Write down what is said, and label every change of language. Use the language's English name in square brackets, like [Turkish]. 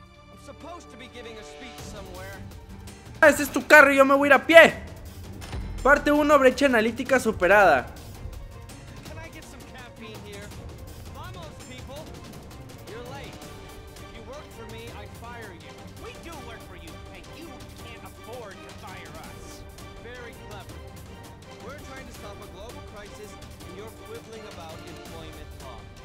[English] I'm supposed to be giving a speech somewhere. [Spanish] Este es tu carro y yo me voy a ir a pie. Parte 1, brecha analítica superada. [English] Can I get some caffeine here? [Spanish] Vamos, [English] people. You're late. If you work for me, I fire you. We do work for you, and you can't afford to fire us. Very clever. We're trying to stop a global crisis, and you're quibbling about employment law.